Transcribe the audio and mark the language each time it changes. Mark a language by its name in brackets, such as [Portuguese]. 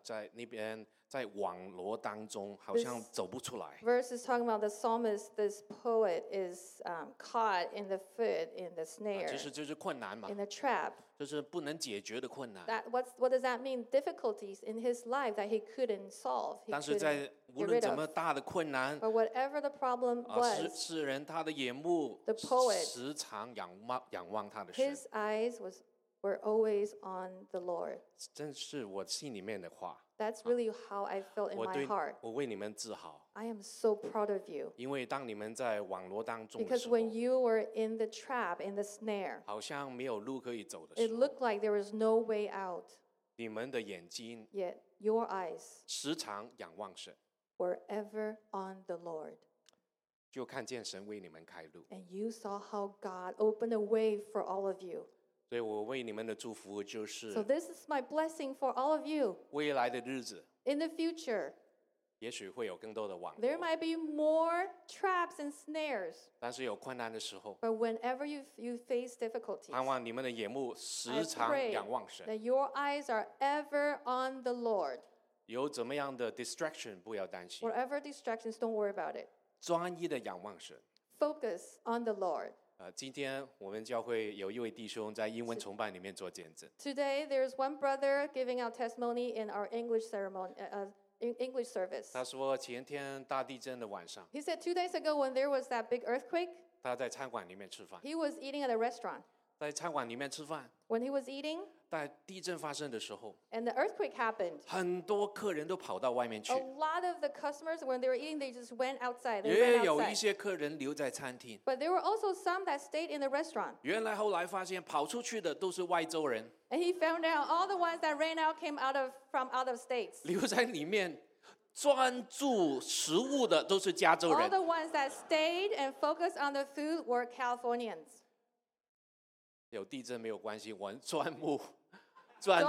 [Chinese] 在那边在网罗当中，好像走不出来。 [English] This verse is talking about the psalmist. This poet is caught in the foot in the snare. [Chinese] 就是困难嘛。 [English] In the trap. [Chinese] 就是不能解决的困难。 [English] What does that mean? Difficulties in his life that he couldn't solve. [Chinese] 但是在无论怎么大的困难 [English] ，But whatever the problem was, [Chinese] 诗人他的眼目 [English] ，The poet [Chinese] 时常仰望他的神。 [English] His eyes were always on the Lord. [Chinese] 真是我心里面的话。 [English] That's really how I felt in my heart. [Chinese] 我为你们自豪。 [English] I am so proud of you. [Chinese] 因为当你们在网罗当中的时候 [English] ，Because when you were in the trap, in the snare, [Chinese] 好像没有路可以走的时候 [English] ，It looked like there was no way out. [Chinese] 你们的眼睛 [English] ，Yet your eyes, [Chinese] 时常仰望神 [English] ，were ever on the Lord. [Chinese] 就看见神为你们开路 [English] ，And you saw how God opened a way for all of you. [Chinese] 所以我为你们的祝福就是 [English] So this is my blessing for all of you. [Chinese] 未来的日子 [English] In the future. [Chinese] 也许会有更多的网络 [English] There might be more traps and snares. [Chinese] 但是有困难的时候 [English] But whenever you face difficulties. [Chinese] 盼望你们的眼目时常仰望神 [English] That your eyes are ever on the Lord. [Chinese] 有怎么样的 distraction 不要担心 [English] Whatever distractions, don't worry about it. [Chinese] 专一的仰望神 [English] Focus on the Lord. [Chinese] 今天我们教会有一位弟兄在英文崇拜里面做见证。 [English] Today there is one brother giving out testimony in our English ceremony, English service. [Chinese] 他说前天大地震的晚上。 [English] He said 2 days ago when there was that big earthquake. [Chinese] 他在餐馆里面吃饭。 [English] He was eating at a restaurant. [Chinese] 在餐馆里面吃饭。 [English] When he was eating. [Chinese] 在地震发生的时候。 [English] And the earthquake happened. [Chinese] 很多客人都跑到外面去。 [English] A lot of the customers when they were eating, they just went outside. [Chinese] 也有一些客人留在餐厅。 [English] But there were also some that stayed in the restaurant. [Chinese] 原来后来发现跑出去的都是外州人。 [English] And he found out all the ones that ran out came from out of states. [Chinese] 留在里面专注食物的都是加州人。 [English] All the ones that stayed and focused on the food were Californians. [Chinese] 有地震没有关系，我专目专注。